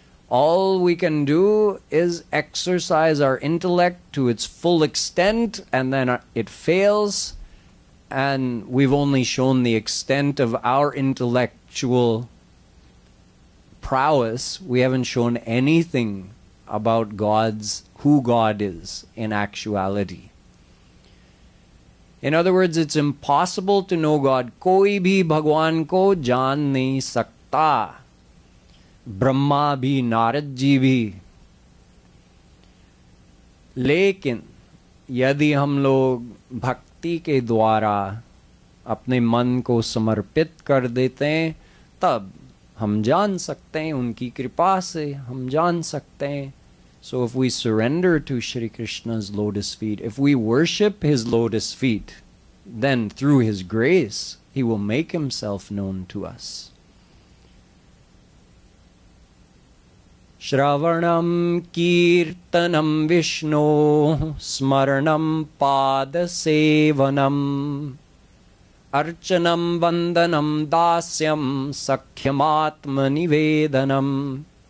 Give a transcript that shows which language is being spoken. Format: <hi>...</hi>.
<en>All we can do is exercise our intellect to its full extent, and then it fails, and we've only shown the extent of our intellectual prowess. We haven't shown anything about God's, who God is in actuality. In other words, it's impossible to know God.</en> <hi>कोई भी भगवान को जान नहीं सकता। ब्रह्मा भी, नारद जी भी। लेकिन, यदि हम लोग भक्ति के द्वारा अपने मन को समर्पित कर देते हैं, तब हम जान सकते हैं, उनकी कृपा से हम जान सकते हैं।</hi> <en>So if we surrender to Shri Krishna's lotus feet, if we worship his lotus feet, then through his grace, he will make himself known to us.</en> <sa>Shravanam kirtanam Vishnu smaranam padasevanam archanam vandanam dasyam sakhyamatmanivedanam.</sa>